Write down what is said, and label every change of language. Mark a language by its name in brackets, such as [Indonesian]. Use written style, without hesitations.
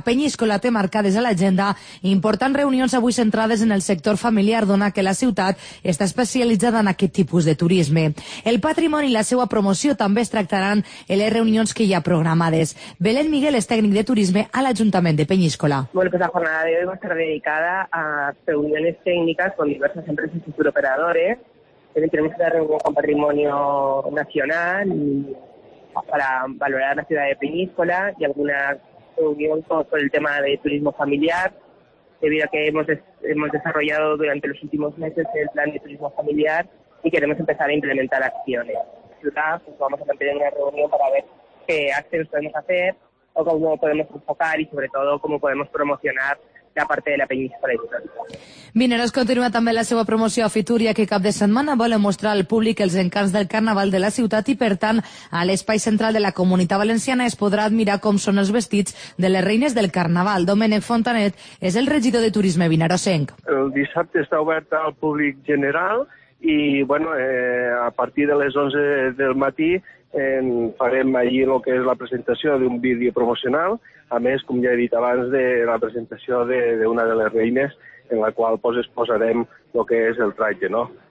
[Catalan] Peñíscola té marcades a l'agenda importants reunions avui centrades en el sector familiar, dona que la ciutat està especialitzada en aquest tipus de turisme. El patrimoni i la seva promoció també es tractaran en les reunions que hi ha programades. Belén Miguel és tècnic de turisme a l'Ajuntament de Peñíscola. [Spanish] Bueno, pues la jornada de hoy va a estar dedicada a reuniones técnicas con diversas empresas y turoperadores. Tenemos una reunión con Patrimonio Nacional para valorar la ciudad de Peñíscola y alguna reunión con el tema de turismo familiar, debido a que hemos desarrollado durante los últimos meses el plan de turismo familiar y queremos empezar a implementar acciones. Pues vamos a tener una reunión para ver qué acciones podemos hacer o cómo podemos enfocar y, sobre todo, cómo podemos promocionar la parte de la península histórica. [Catalan] Vinaròs continua també la seva promoció a Fitur, ja que cap de setmana vol mostrar al públic els encants del carnaval de la ciutat i, per tant, a l'espai central de la Comunitat Valenciana es podrà admirar com són els vestits de les reines del carnaval. Domènec Fontanet és el regidor de Turisme vinarosenc. El dissabte està obert al públic general i, bueno, a partir de les 11 del matí farem allí el que és la presentació d'un vídeo promocional, a més, com ja he dit abans, de la presentació d'una de les reines en la qual pues, exposarem el que és el traje, no?